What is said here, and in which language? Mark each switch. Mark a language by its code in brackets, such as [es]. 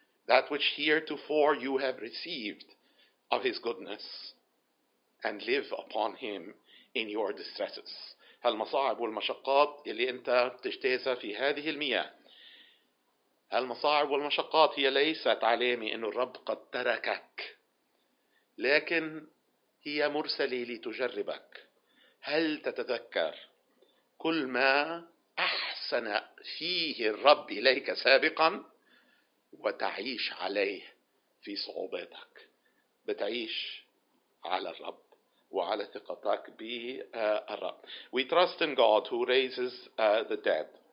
[en] that which heretofore you have received of his goodness, and live upon him in your distresses. [ar] هالمصاعب والمشقات اللي انت بتجتازها في هذه المياه. هالمصاعب والمشقات هي ليست علامة انه الرب قد تركك، لكن هي مرسلة لتجربك. هل تتذكر كل ما أحسن فيه الرب إليك سابقا وتعيش عليه في صعوباتك؟ بتعيش على الرب وعلى ثقتك بالرب. [en] We trust in God who raises the dead.